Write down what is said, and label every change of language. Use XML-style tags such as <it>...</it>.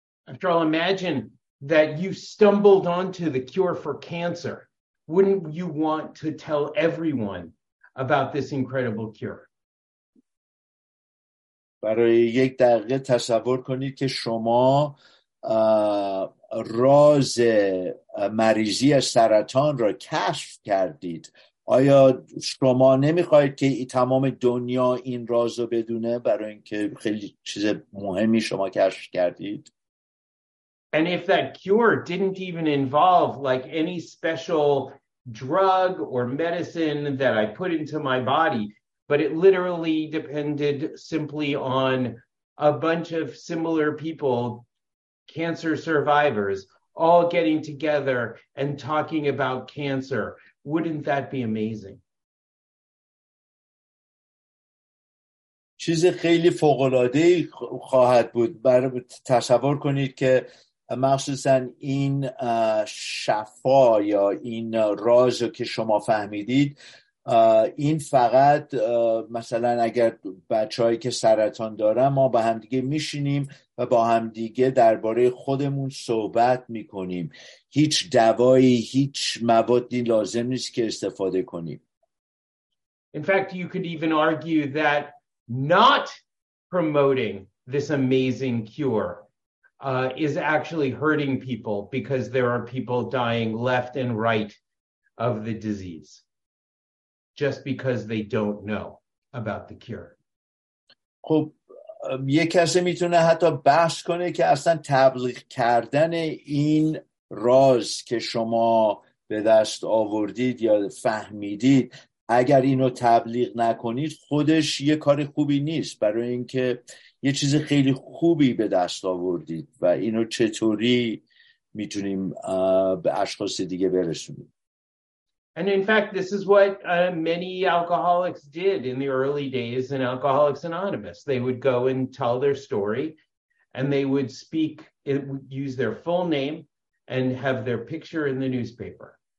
<en>After all, imagine that you stumbled onto the cure for cancer. Wouldn't you want to tell everyone about this incredible cure?</en> <fa>برای یک دقیقه تصور کنید که شما راز مریضی سرطان را کشف کردید. آیا شما نمیخواید که تمام دنیا این راز را بدونه برای اینکه خیلی چیز مهمی شما کشف کردید؟</fa> <en>And if that cure didn't even involve like any special drug or medicine that I put into my body, but it literally depended simply on a bunch of similar people, cancer survivors, all getting together and talking about cancer. Wouldn't that be amazing?</en> <fa>چیز خیلی فوق‌العاده‌ای خواهد بود. تصور کنید که مخصوصا این شفا یا این رازی که شما فهمیدید، این فقط مثلا اگر بچه‌هایی که سرطان دارن، ما با هم دیگه میشینیم و با هم دیگه درباره خودمون صحبت میکنیم. هیچ دوایی، هیچ موادی لازم نیست که استفاده کنیم.</fa> <en>In fact, you could even argue that not promoting this amazing cure is actually hurting people because there are people dying left and right of the disease just because they don't know about the cure.</en> <fa>خب یه کسی میتونه حتی بحث کنه که اصلا تبلیغ کردن این راز که شما به دست آوردید یا فهمیدید، اگر اینو تبلیغ نکنید خودش یه کار خوبی نیست، برای اینکه یه چیز خیلی خوبی به دست آوردید و اینو چطوری میتونیم به اشخاص دیگه برسونیم.</fa> <en>And in fact this is what many alcoholics did in the early days in Alcoholics Anonymous. They would go and tell their story and they would speak, use their full name and have their picture in the newspaper.</en>